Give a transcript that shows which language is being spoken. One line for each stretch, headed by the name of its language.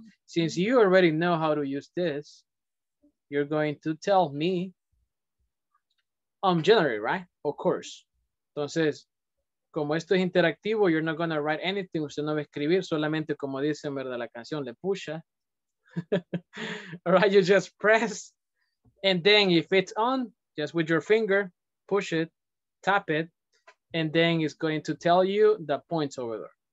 English: Since you already know how to use this, you're going to tell me January, right? Of course.
Spanish: Entonces, como esto es interactivo,
English: you're not going to write anything.
Spanish: Usted no va a escribir, solamente como dicen, ¿verdad? La canción le pusha.
English: All right, you just press. And then if it's on, just with your finger, push it, tap it. And then it's going to tell you the points over there.